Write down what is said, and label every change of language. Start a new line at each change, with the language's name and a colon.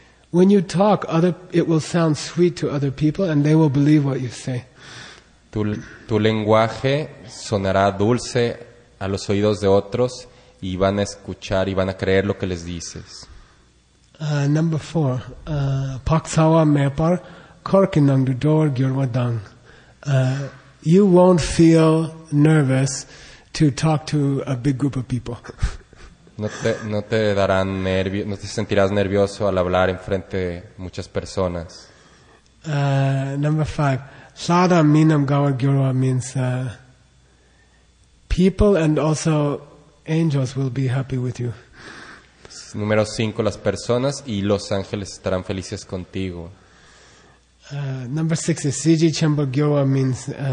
English: When you talk, it will sound sweet to other people and they will believe what you say.
Spanish: Tu lenguaje sonará dulce a los oídos de otros y van a escuchar y van a creer lo que les dices.
English: Number 4.
Tibetan: Paksawa mepar korkinang du dor gyorwa dang.
English: You won't feel nervous to talk to a big group of people.
Spanish: No te sentirás nervioso al hablar en frente de muchas personas.
English: Number 5.
Tibetan: Sada minam gawa gyorwa
English: means people and also angels will be happy with you.
Spanish: Número 5, las personas y los ángeles estarán felices contigo.
English: Number 6 is
Tibetan: Siji Chembo Gyowa
English: means